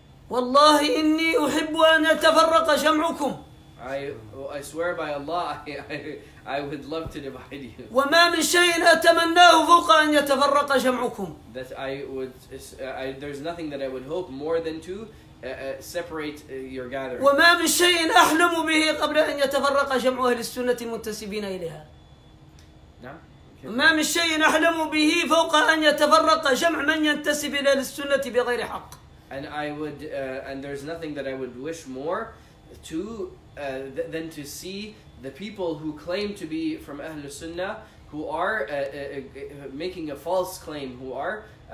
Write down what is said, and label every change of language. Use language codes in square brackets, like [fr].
[ar] والله إني أحب أن أتفرق جمعكم. [en] I swear by Allah, I would love to divide you. [ar] وما من شيء أتمناه فوق أن يتفرق جمعكم. [en] That there's nothing that I would hope more than to separate your gathering. [ar] وما من شيء أحلم به قبل أن يتفرق جمع أهل السنة المنتسبين إليها. نعم. ما من شيء أحلم به فوق أن يتفرق جمع من ينتسب إلى السنة بغير حق. [en] And I would, and there's nothing that I would wish more to than to see the people who claim to be from Ahlus Sunnah, who are making a false claim, who are,